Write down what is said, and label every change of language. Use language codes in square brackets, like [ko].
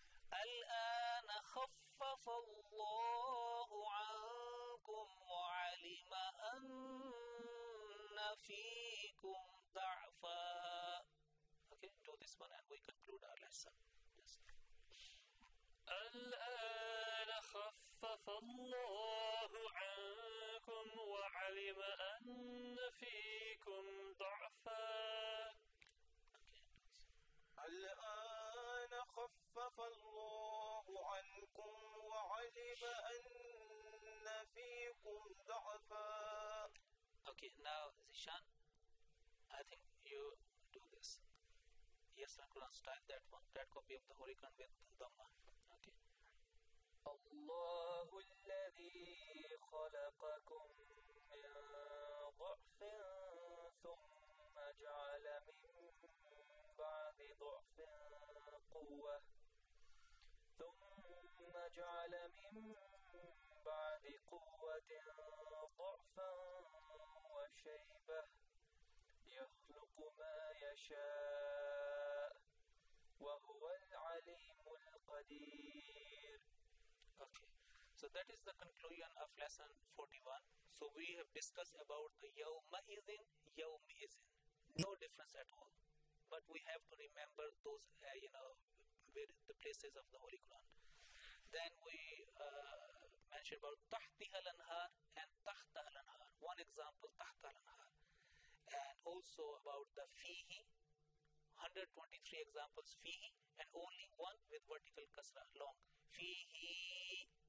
[ar] الْآنَ خَفَّفَ اللَّهُ عَنْكُمْ وَعَلِمَ أَنَّ فِيكُمْ ضَعْفًا. [en] Okay, do this one and we conclude our lesson. Yes. [ar] الآن خفف الله عنكم وعلم أن فيكم ضعفا. الآن خفف الله عنكم وعلم أن فيكم ضعفا. [en] Okay, now Zishan, I think you do this. Yes, I'm going to start that one, that copy of the Holy Quran with Dhamma. [ar] الله الذي خلقكم من ضعف ثم جعل من بعد ضعف قوة ثم جعل من بعد قوة ضعفا وشيبة يخلق ما يشاء وهو العليم القدير. [en] Okay, so that is the conclusion of lesson 41. So we have discussed about the yawm izin, no difference at all, but we have to remember those with the places of the Holy Quran. Then we mentioned about tahtiha lanhar and tahtaha lanhar, one example tahtaha lanhar, and also about the fihi, 123 examples fihi, and only one with vertical kasra, long fihi.